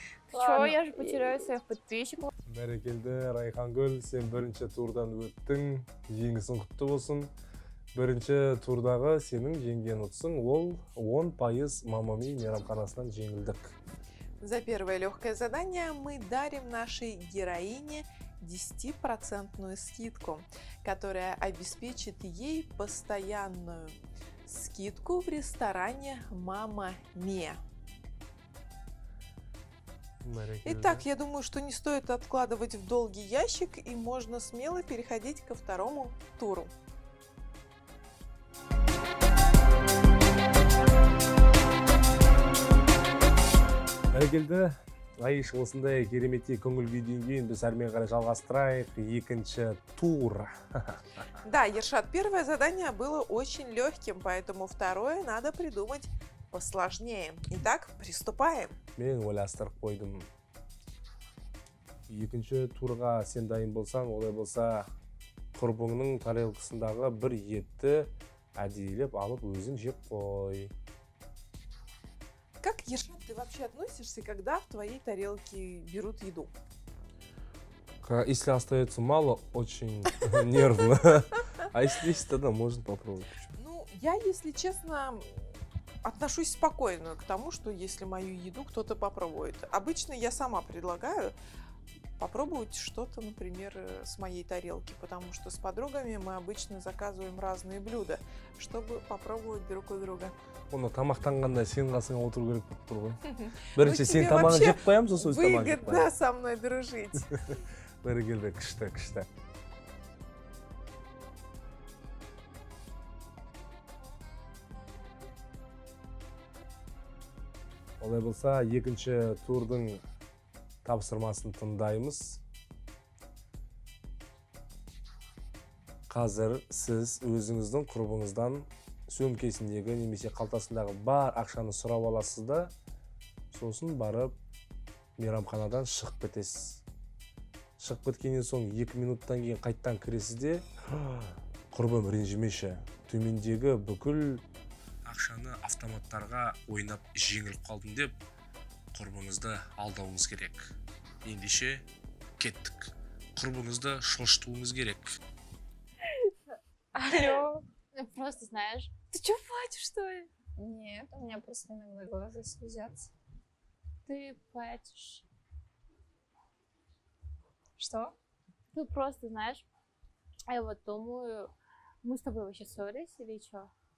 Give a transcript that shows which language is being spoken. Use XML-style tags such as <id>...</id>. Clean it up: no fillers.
<ru>Чего я же потеряю своих подписчиков?</ru> <kk>Бәрекелді, Райхангүль, сен бірінші турдан өттің, жеңісің құтты болсын. Бірінші турдағы сенің жеңген ұтысың ол 10% Мамами мейрамханасынан жеңілдік.</kk> <ru>За первое легкое задание мы дарим нашей героине 10% скидку, которая обеспечит ей постоянную скидку в ресторане Мама Ме. Итак, я думаю, что не стоит откладывать в долгий ящик, и можно смело переходить ко второму туру.</ru> <kk>Бәрекелді, Айш, осындай кереметтей көңілге дейін біз әрмен қарай жалғастырайық. Екінші тур.</kk> <ru>Да, Ершат, первое задание было очень легким, поэтому второе надо придумать посложнее. Итак, приступаем.</ru> <kk>Мен ойластырып қойдым. Екінші турға сен дайын болсаң, олай болса, құрбыңның тарелкасындағы бір етті әдейлеп алып өзің жеп қой.</kk> <ru>Как, Ершат, ты вообще относишься, когда в твоей тарелке берут еду? Если остается мало, очень нервно. А если есть, тогда можно попробовать. Ну, я, если честно, отношусь спокойно к тому, что если мою еду кто-то попробует. Обычно я сама предлагаю попробовать что-то, например, с моей тарелки, потому что с подругами мы обычно заказываем разные блюда, чтобы попробовать друг у друга.</ru> <kk>Оно тамақтанғанда сен қасыңа отыру керек болып тұр ғой. Бірінші сен тамағын жеп қоямыз, сосын тамағын.</kk> <ru>Выгодно со мной дружить.</ru> <kk>Бәрекелді, күшті, күшті. Олай болса, екінші турдың тапсырмасын тыңдаймыз. Қазір сіз өзіңіздің құрбыңыздан сөмкесіндегі немесе қалтасындағы бар ақшаны сұрап аласыз да, сосын барып мейрамханадан шығып кетесіз. Шығып кеткеннен соң 2 минуттан кейін қайтадан кіресіз де, құрбым ренжімеші, төмендегі бүкіл ақшаны автоматтарға ойнап жеңіліп қалдым деп, құрбыңызды алдауыңыз керек. Ендеше кеттік. Құрбыңызды шошытуыңыз керек.</kk> <ru>Алло. Просто знаешь. Ты что, платишь, что ли? Нет, у меня просто иногда глаза слезятся. Ты платишь. Что? Ты просто знаешь. Я вот думаю, мы с тобой вообще ссорились или что?</ru>